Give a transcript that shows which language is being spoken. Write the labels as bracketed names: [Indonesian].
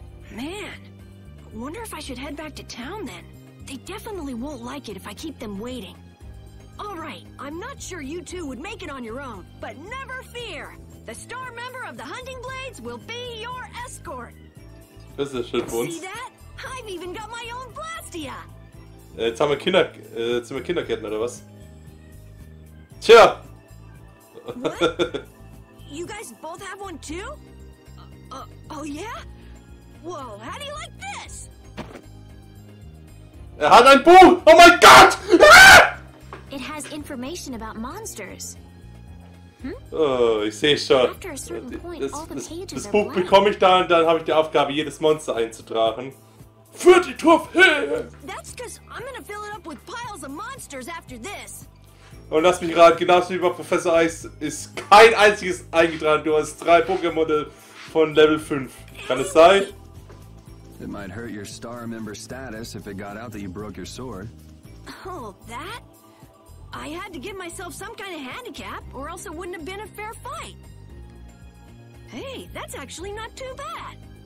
[English] Man, I wonder if I should head back to town then. They definitely won't like it if I keep them waiting. All right, I'm not sure you two would make it on your own, but never fear. The star member of the Hunting Blades will be your escort. [German] Das ist schön für uns. [English] See that? I've even got my own Blastia. [German] Jetzt haben wir Kinder, jetzt sind wir Kindergärtner oder was? Tja. [English] What? You guys both have one too? Oh yeah? Well, how do you like this? [German] Er hat ein Buch! Oh mein Gott! [English] It has information about monsters. [German] Oh, ich sehe schon. Das Buch bekomme ich da und dann habe ich die Aufgabe, jedes Monster einzutragen. Für die Trophäe! [English] That's because I'm gonna fill it up with piles of monsters after this. [German] Und lass mich raten, genauso wie bei Professor Eis ist kein einziges eingetragen. Du hast drei Pokémon von Level 5. Kann es sein? [English] It might hurt your star member status if it got out that you broke your sword. Oh, that? I had to give myself some kind of handicap, or else it wouldn't have been a fair fight. Hey, that's actually not too bad.